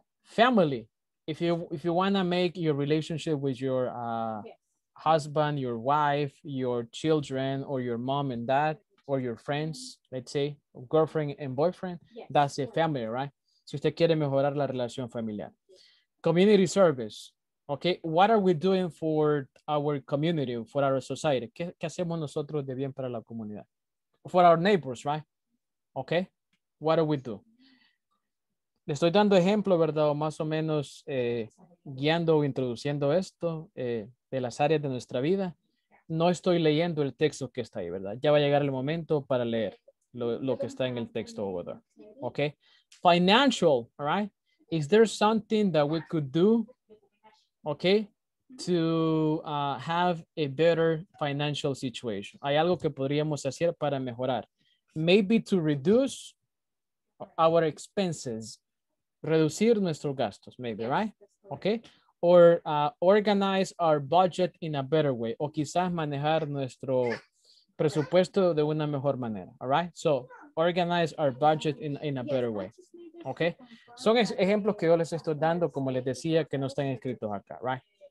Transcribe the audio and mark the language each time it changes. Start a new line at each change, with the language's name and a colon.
English: Family, if you want to make your relationship with your husband, your wife, your children, or your mom and dad, or your friends, let's say, girlfriend and boyfriend, yes. That's a family, right?
Spanish: Si usted quiere mejorar la relación familiar.
English: Community service. Okay, what are we doing for our community, for our society?
Spanish: ¿Qué hacemos nosotros de bien para la comunidad?
English: For our neighbors, right? Okay, what do we do?
Spanish: Le estoy dando ejemplo, ¿verdad? O más o menos guiando o introduciendo esto de las áreas de nuestra vida. No estoy leyendo el texto que está ahí, ¿verdad? Ya va a llegar el momento para leer lo que está en el texto
English: over there. Okay, financial, all right? Is there something that we could do, okay, to have a better financial situation?
Spanish: Hay algo que podríamos hacer para mejorar.
English: Maybe to reduce our expenses.
Spanish: Reducir nuestros gastos,
English: maybe, right? Okay. Or organize our budget in a better way.
Spanish: O quizás manejar nuestro presupuesto de una mejor manera.
English: All right. So organize our budget in a better way.
Spanish: Okay, son ejemplos que yo les estoy dando, como les decía, que no están escritos acá, right?